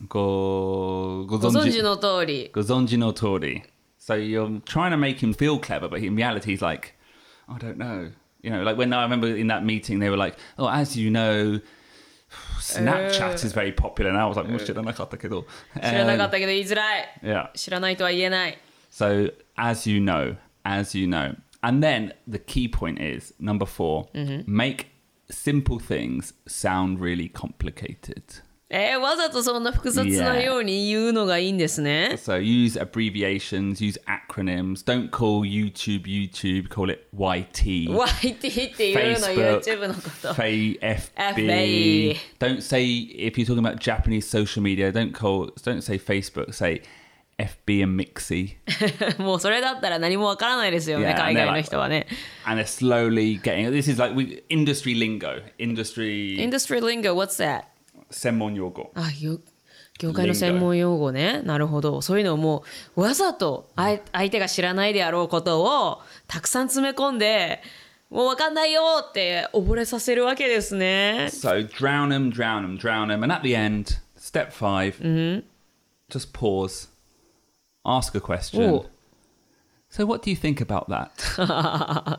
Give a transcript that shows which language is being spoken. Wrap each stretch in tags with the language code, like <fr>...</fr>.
<ja>ご存知の通り。</ja> <en>So you're trying to make him feel clever, but in reality he's like, I don't know. You know, like when I remember in that meeting, they were like, oh, as you know, Snapchat is very popular. And I was like,</en> <ja>知らなかったけど。知らなかったけど言いづらい。</ja> <en>Yeah.</en> <ja>知らないとは言えない。</ja> <en>So, as you know, as you know. And then the key point is, number four, mm-hmm. make simple things sound really complicated.</en> <ja>わざとそんな複雑なように言うのがいいんですね。</ja> <en>Yeah. So use abbreviations, use acronyms. Don't call YouTube YouTube, call it YT.</en> <ja>YT って言うの、YouTube のこと。</ja> <en>FB. Don't say, if you're talking about Japanese social media, don't say Facebook, say FB and Mixi.</en> <ja>もうそれだったら何もわからないですよね、海外の人はね。</ja> <en>And they're slowly getting, this is like industry lingo. Industry lingo, what's that?</en> <ja>専門用語。あ、業界の専門用語ね。なるほど。そういうのをもうわざと相手が知らないであろうことをたくさん詰め込んで、もう分かんないよって溺れさせるわけですね。</ja> <en>So drown him, drown him, drown him. And at the end, step five,、 mm-hmm. just pause, ask a question.、So what do you think about that?</en>